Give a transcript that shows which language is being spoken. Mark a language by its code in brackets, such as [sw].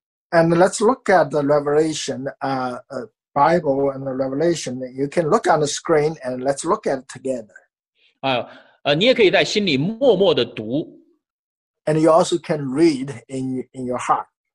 [en] And let's look at the Revelation, Bible and the Revelation. You can look on the screen and let's look at it together. [zh] 你也可以在心里默默地读。 [en] And you also can read in your heart.